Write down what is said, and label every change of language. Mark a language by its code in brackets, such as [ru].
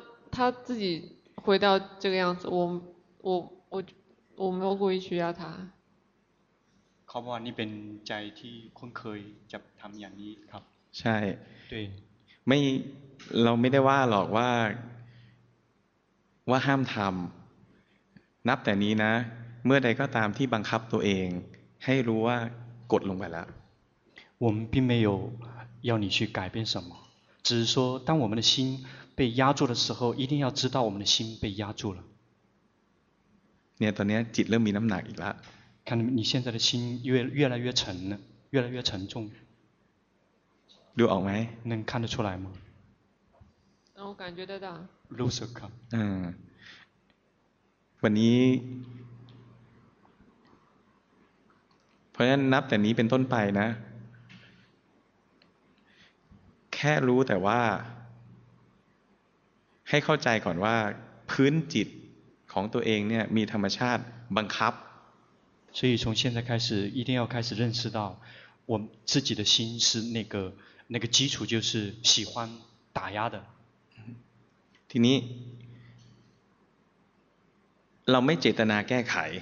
[zh] 他自己回到这个样子我没有故意去压他 [th] เขาบอกว่านี่เป็นใจที่คุ้นเคยจะทำอย่างนี้ครับ ใช่ [zh] 对 [th] ไม่เราไม่ได้ว่าหรอกว่าห้ามทำนับแต่นี้นะเมื่อใดก็ตามที่บังคับตัวเองให้รู้ว่ากดลงไปแล้ [zh] ว我们并没有要你去改变什么只是说当我们的心被压住的时候一定要知道我们的心被压住了 [th] เนี่ยตอนนี้จิตเริ่มมีน้ำหนักอีกละ [zh] 看你现在的心越来越沉了越来越沉重 [th] ดูออกไหม [zh] 能看得出来吗我感觉得到 [th] รู้สึกครับ วันนี้เพราะฉะนั้นนับแต่นี้เป็นต้นไปนะแค่รู้แต่ว่าให้เข้าใจก่อนว่าพื้นจิตของตัวเองเนี่ยมีธรรมชาติบังคับ [zh] 所以从现在开始一定要开始认识到我自己的心是那个基础就是喜欢打压的 [th] ทีนี้เราไม่เจตนาแก้ไข